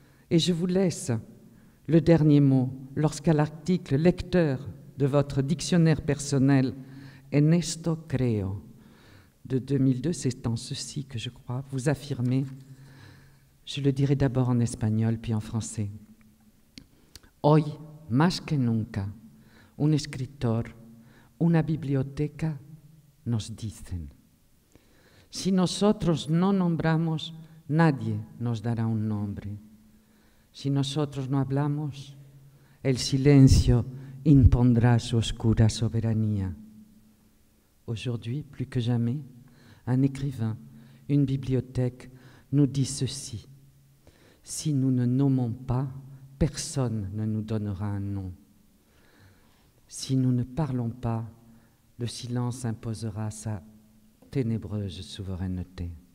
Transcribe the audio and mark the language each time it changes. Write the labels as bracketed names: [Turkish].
[French] Et je vous laisse le dernier mot lorsqu'à l'article lecteur de votre dictionnaire personnel, Ernesto Creo, de 2002, c'est en ceci que je crois, vous affirmez, je le dirai d'abord en espagnol puis en français. [Spanish] Hoy, más que nunca, un escritor, una biblioteca nos dicen. Si nosotros no nombramos, nadie nos dará un nombre. Si nosotros no hablamos, el silencio impondra su oscura soberanía. [French] Aujourd'hui, plus que jamais, un écrivain, une bibliothèque, nous dit ceci. Si nous ne nommons pas, personne ne nous donnera un nom. Si nous ne parlons pas, le silence imposera sa ténébreuse souveraineté.